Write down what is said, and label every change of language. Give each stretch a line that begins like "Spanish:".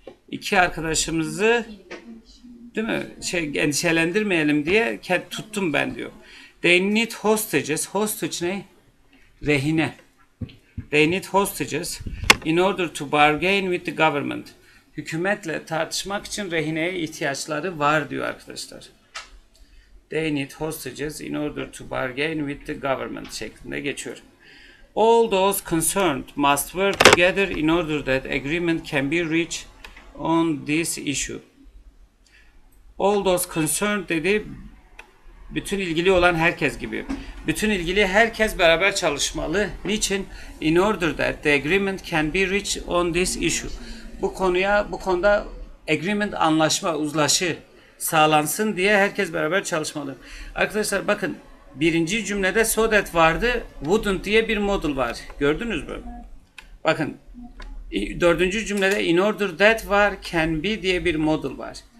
Turkish: İki arkadaşımızı değil mi? Şey, endişelendirmeyelim diye tuttum ben diyor.
English: They need hostages. Hostage
Turkish: ne? Rehine.
English: They need hostages in order to bargain with the government.
Turkish: Hükümetle tartışmak için rehineye ihtiyaçları var diyor arkadaşlar.
English: They need hostages in order to bargain with the government
Turkish: şeklinde geçiyor.
English: all those concerned must work together in order that agreement can be reached on this issue. All those concerned
Turkish: dedi, bütün ilgili olan herkes gibi. Bütün ilgili herkes beraber çalışmalı. Niçin?
English: In order that the agreement can be reached on this issue.
Turkish: Bu konuda agreement, anlaşma, uzlaşı sağlansın diye herkes beraber çalışmalı. Arkadaşlar bakın, birinci cümlede so that vardı, wouldn't diye bir modal var. Gördünüz mü? Bakın, dördüncü cümlede in order that var, can be diye bir modal var.